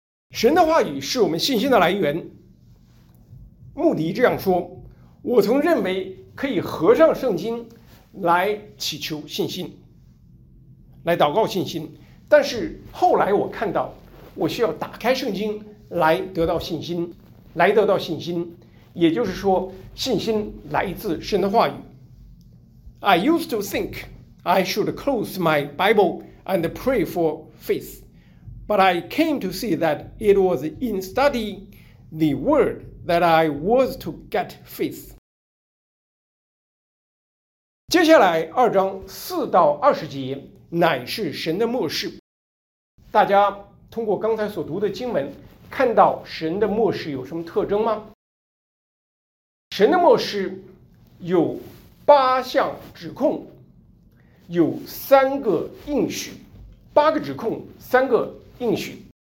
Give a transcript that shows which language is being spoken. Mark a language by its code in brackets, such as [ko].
[zh] 神的话语是我们信心的来源，穆迪这样说，我曾认为可以合上圣经来祈求信心，来祷告信心，但是后来我看到我需要打开圣经来得到信心，来得到信心，也就是说信心来自神的话语。 [en] I used to think I should close my Bible and pray for faith, but I came to see that it was in studying the word that I was to get faith. [zh] 接下来二章四到二十节乃是神的默示，大家通过刚才所读的经文看到神的默示有什么特征吗？神的默示有八项指控，有三个应许，八个指控，三个应许。